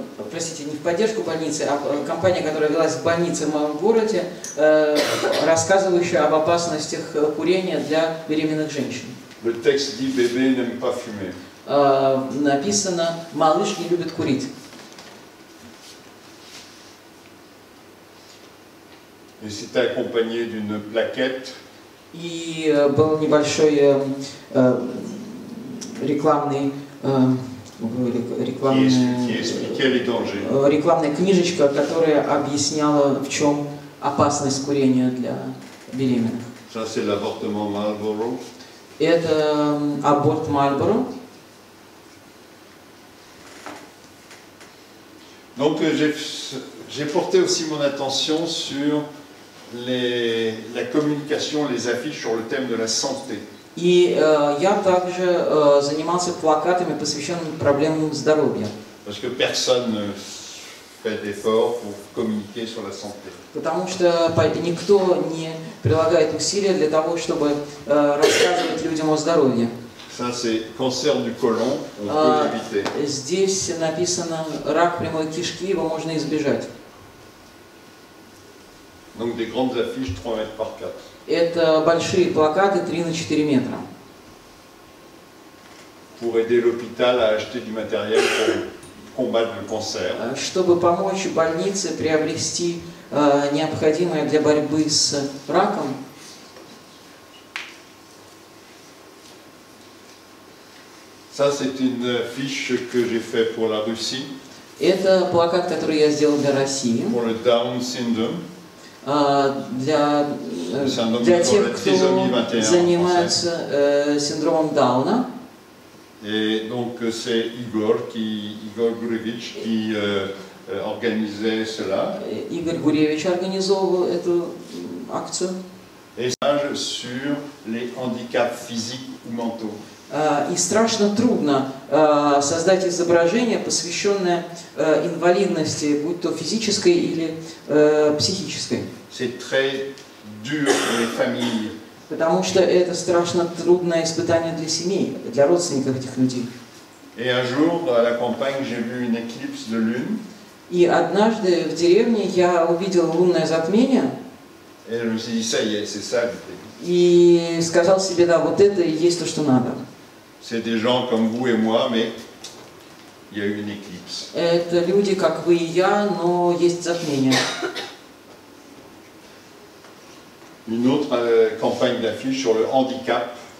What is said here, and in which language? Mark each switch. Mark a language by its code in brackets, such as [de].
[ru] Простите, не в поддержку больницы, а компания, которая велась в больнице в моем городе, рассказывающая об опасностях курения для беременных женщин. [fr] Le texte dit «Bébé n'aime pas fumer». [ru] Написано «Малыш не любит курить». [fr] Et c'était accompagné d'une plaquette. [ru] И был небольшой рекламный рекламная книжечка, которая объясняла, в чем опасность курения для беременных. [fr] Ça, c'est l'avortement Marlboro. [ru] Это аборт Marlboro. [fr] Donc j'ai porté aussi mon attention sur la communication, les affiches sur le thème de la santé. [ru] И я также занимался плакатами, посвященными проблемам здоровья. [fr] Parce que personne ne fait d'effort pour communiquer sur la santé. [ru] Потому что никто не прилагает усилия для того, чтобы рассказывать людям о здоровье. [fr] Ça, c'est cancer du côlon, on peut l'éviter. [ru] Здесь написано рак прямой кишки, его можно избежать. [fr] Donc des grandes affiches 3 mètres par 4. [ru] Это большие плакаты 3 на 4 метра. [fr] Pour aider l'hôpital à acheter du matériel pour combattre le cancer. [ru] Чтобы помочь больнице приобрести необходимое для борьбы с раком. [fr] Ça, c'est une affiche que j'ai fait pour la Russie. [ru] Это плакат, который я сделал для России. [fr] Pour le Down syndrome. [ru] Для тех, кто занимается синдромом Дауна. [fr] И, donc, c'est Igor Grivich qui organisait cela. [ru] Игорь Гуревич организовывал эту акцию. [fr] Et stage sur les handicaps physiques ou mentaux. [ru] И страшно трудно создать изображение, посвященное инвалидности, будь то физической или психической. [fr] C'est très dur pour les familles. [ru] Потому что это страшно трудное испытание для семей, для родственников этих людей. [fr] Et un jour, à la campagne, j'ai vu une éclipse de lune. [ru] И однажды в деревне я увидел лунное затмение. [fr] Et je me suis dit, ça y est, c'est ça. [ru] И сказал себе, да, вот это и есть то, что надо. [fr] C'est des gens comme vous et moi, mais il y a eu une éclipse. [ru] Это люди, как вы и я, но есть затмение. [fr] Une autre campagne d'affiche sur le handicap.